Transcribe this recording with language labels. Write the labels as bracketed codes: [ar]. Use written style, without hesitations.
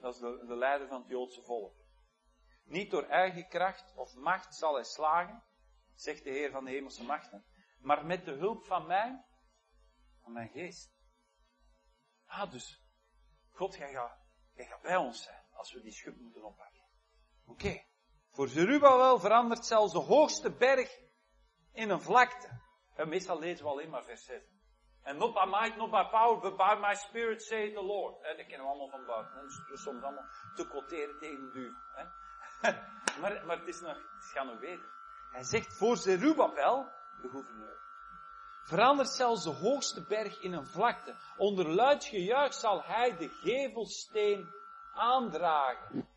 [nl] Dat is de leider van het Joodse volk. Niet door eigen kracht of macht zal hij slagen, zegt de Heer van de hemelse machten, maar met de hulp van mijn geest. Ah, dus, God, jij gaat bij ons zijn als we die schub moeten oppakken. Oké. Okay. Voor Zerubbabel verandert zelfs de hoogste berg in een vlakte. En meestal lezen we alleen maar vers 7. [en] En not by might, not by power, but by my spirit, say the Lord. [nl] En dat kennen we allemaal van buiten. Dat is soms allemaal te quoteren tegen de duivel. Maar het gaat nog beter. Hij zegt, voor Zerubbabel, de gouverneur, verandert zelfs de hoogste berg in een vlakte. Onder luid gejuich zal hij de gevelsteen aandragen.